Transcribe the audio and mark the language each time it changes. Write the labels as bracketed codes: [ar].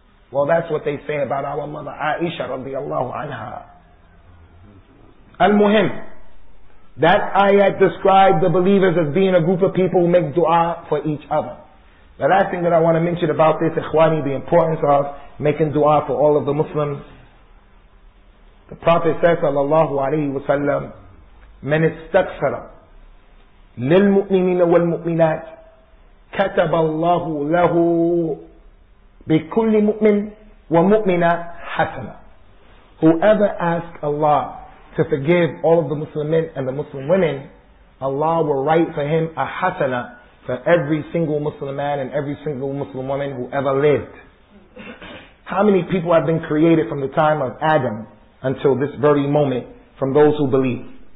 [en] Well, that's what they say about our mother, Aisha radiallahu anha. Al-Muhim, that ayat described the believers as being a group of people who make dua for each other. The last thing that I want to mention about this, ikhwani, the importance of making dua for all of the Muslims. The Prophet says, sallallahu alayhi wa sallam, [ar] من استغفر للمؤمنين والمؤمنات كتب الله له بكل مؤمن ومؤمنة حسنة. [en] Whoever asks Allah to forgive all of the Muslim men and the Muslim women, Allah will write for him a hasana for every single Muslim man and every single Muslim woman who ever lived. How many people have been created from the time of Adam until this very moment from those who believe?